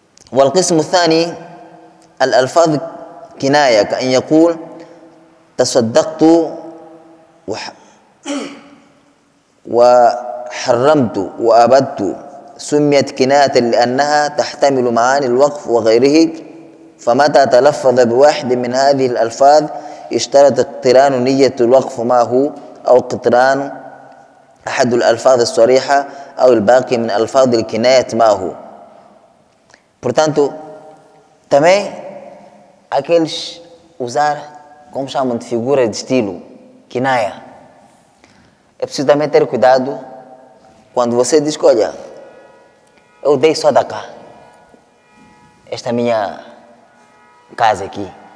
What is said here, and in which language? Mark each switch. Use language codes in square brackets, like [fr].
[pt] O segundo capítulo, as palavras kinaya, que é dizer, tassaddaqtu wa harramtu wa abadtu. [ar] سميت كناية لأنها تحتمل معاني الوقف وغيره فمتى تلفظ بواحد من هذه الألفاظ اشترط اقتران نية الوقف معه أو اقتران أحد الألفاظ الصريحة أو الباقي من ألفاظ الكناية معه portanto [pt] também aqueles usar como chamam de figura de estilo kinaya é preciso também ter cuidado quando você diz olha eu dei só da cá, esta minha casa aqui.